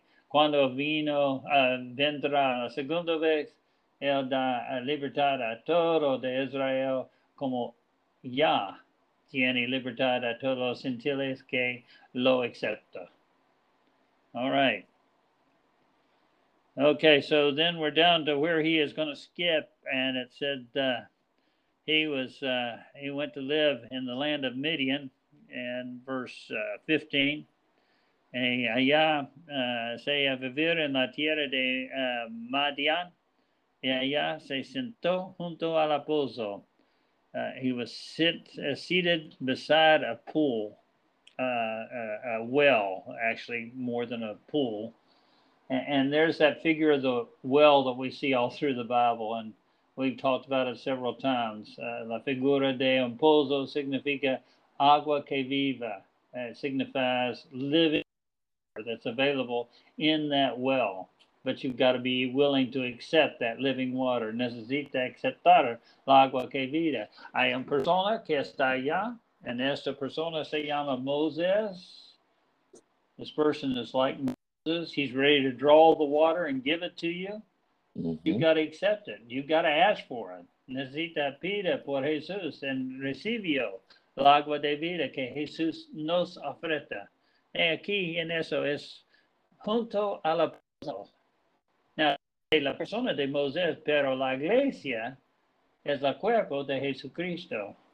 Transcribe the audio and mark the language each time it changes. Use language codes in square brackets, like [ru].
[es] cuando vino, vendrá la segunda vez, él da libertad a todo de Israel, como ya tiene libertad a todos los gentiles que lo acepta. [en] All right. Okay, so then we're down to where he is going to skip, and it said he went to live in the land of Midian, in verse 15. [es] Y allá se a vivir en la tierra de Madian, y allá se sentó junto al pozo. [en] He was seated beside a pool, a well, actually more than a pool. And there's that figure of the well that we see all through the Bible, and we've talked about it several times. [es] La figura de un pozo significa agua que viva. [en] It signifies living water that's available in that well. But you've got to be willing to accept that living water. [es] Necesita aceptar la agua que viva. Hay una persona que está allá, and esta persona se llama Moses. [en] This person is like Moses. He's ready to draw the water and give it to you. Mm-hmm. You've got to accept it. You've got to ask for it. [es] Necesita pedir por Jesús en recibió el agua de vida que Jesús nos ofrece. Y aquí en eso es junto a la persona. Now, la persona de Moisés, pero la iglesia es el cuerpo de Jesucristo.